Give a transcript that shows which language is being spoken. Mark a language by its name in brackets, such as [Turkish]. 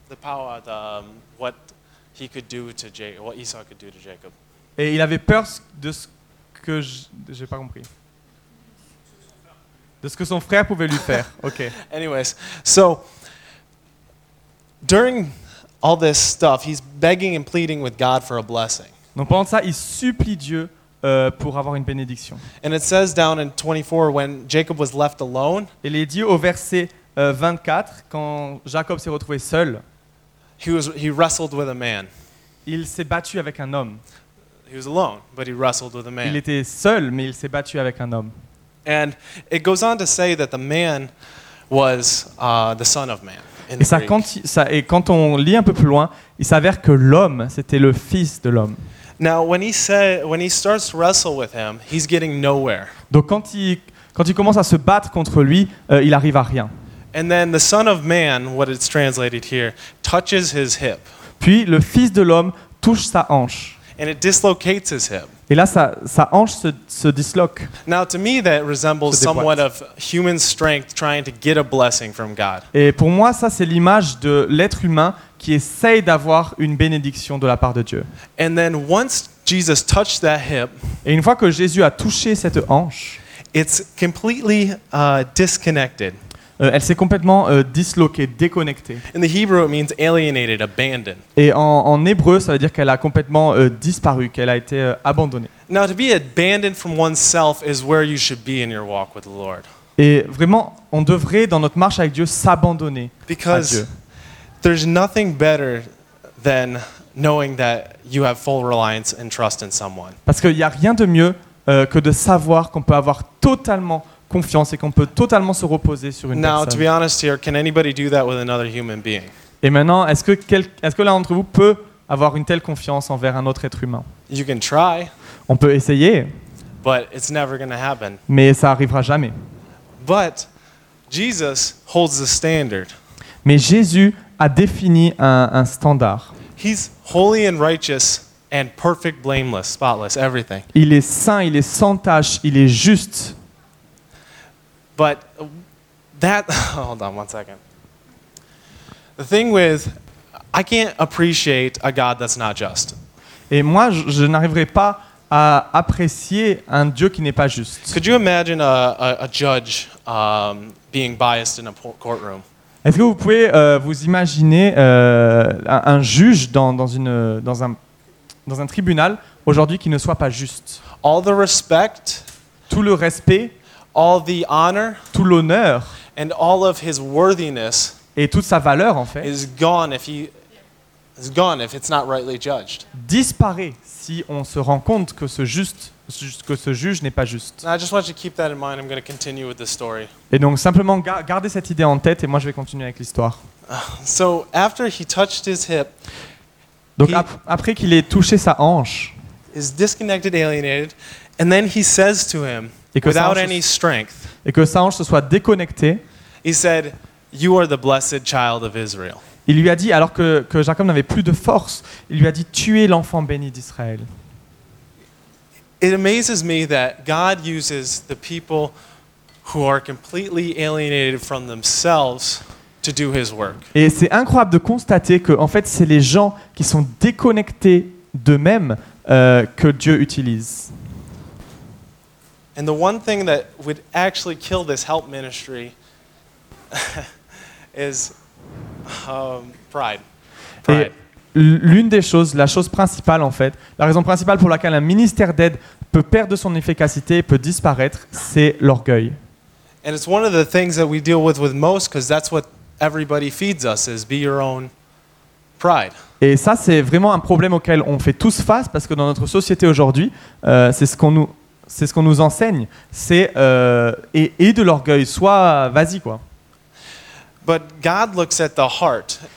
[English] The power, what he could do to what Esau could do to Jacob. [French] Et il avait peur de ce que j'ai pas compris. De ce que son frère pouvait lui faire. [English] Okay. Anyways, so during all this stuff, he's begging and pleading with God for a blessing. [French] Donc pendant ça, il supplie Dieu pour avoir une bénédiction. [English] And it says down in 24 when Jacob was left alone. [French] Et il est dit au verset 24 quand Jacob s'est retrouvé seul. [English] He wrestled with a man. [French] Il s'est battu avec un homme. [English] He was alone, but he wrestled with a man. [French] Il était seul, mais il s'est battu avec un homme. [English] And it goes on to say that the man was the son of man. [French] Et ça, quand on lit un peu plus loin, il s'avère que l'homme, c'était le fils de l'homme. [English] Now, when he starts to wrestle with him, he's getting nowhere. [French] Donc quand il commence à se battre contre lui, il arrive à rien. [English] And then the son of man, what it's translated here, touches his hip. [French] Puis le fils de l'homme touche sa hanche. [English] And it dislocates his hip. [French] Et là, sa hanche se disloque. [English] Now, to me, that resembles somewhat of human strength trying to get a blessing from God. [French] Et pour moi, ça, c'est l'image de l'être humain qui essaye d'avoir une bénédiction de la part de Dieu. [English] And then once Jesus touched that hip, [French] et une fois que Jésus a touché cette hanche, [English] it's completely disconnected. [French] Elle s'est complètement disloquée, déconnectée. [English] In the Hebrew, it means alienated, abandoned. [French] Et en hébreu, ça veut dire qu'elle a complètement disparu, qu'elle a été abandonnée. [English] Now, to be abandoned from oneself is where you should be in your walk with the Lord. [French] Et vraiment, on devrait dans notre marche avec Dieu s'abandonner [English] Because [French] à Dieu. [English] There's nothing better than knowing that you have full reliance and trust in someone. [French] Parce qu'il n'y a rien de mieux que de savoir qu'on peut avoir totalement confiance et qu'on peut totalement se reposer sur une [English] Now, [French] personne. [English] To be honest here, can anybody do that with another human being? [French] Et maintenant, est-ce que l'un d'entre vous peut avoir une telle confiance envers un autre être humain? [English] You can try. [French] On peut essayer. [English] But it's never gonna happen. [French] Mais ça arrivera jamais. [English] But Jesus holds the standard. [French] Mais Jésus a défini un standard. [English] He's holy and righteous and perfect, blameless, spotless, everything. [French] Il est saint, il est sans tache, il est juste. [English] But that, hold on one second. The thing with, I can't appreciate a God that's not just. [French] Et moi, je n'arriverai pas à apprécier un Dieu qui n'est pas juste. [English] Could you imagine a judge being biased in a courtroom? [French] Est-ce que vous pouvez vous imaginer un juge dans un tribunal aujourd'hui qui ne soit pas juste? [English] All the respect. [French] Tout le respect. [English] All the honor, [French] tout l'honneur, [English] and all of his worthiness, [French] et toute sa valeur en fait, [English] is gone if it's not rightly judged. [French] Disparaît si on se rend compte que ce juge n'est pas juste. [English] I just want you to keep that in mind. I'm going to continue with the story. [French] Et donc simplement garder cette idée en tête, et moi je vais continuer avec l'histoire. [English] So after he touched his hip, [French] donc après qu'il ait touché sa hanche, [English] is disconnected, alienated, and then he says to him. Without any strength. [French] Et que sa hanche se soit déconnectée. [English] He said, "You are the blessed child of Israel." [French] Il lui a dit, alors que Jacob n'avait plus de force, il lui a dit, "Tu es l'enfant béni d'Israël." [English] It amazes me that God uses the people who are completely alienated from themselves to do His work. [French] Et c'est incroyable de constater que, en fait, c'est les gens qui sont déconnectés d'eux-mêmes que Dieu utilise. [English] And the one thing that would actually kill this help ministry is pride. [French] Et, l'une des choses, la chose principale en fait, la raison principale pour laquelle un ministère d'aide peut perdre son efficacité, peut disparaître, c'est l'orgueil. [English] And it's one of the things that we deal with most, because that's what everybody feeds us, is be your own pride. [French] Et ça, c'est vraiment un problème auquel on fait tous face, parce que dans notre société aujourd'hui, c'est ce qu'on nous enseigne, c'est et de l'orgueil, soit vas-y quoi. [English] But God looks at the heart.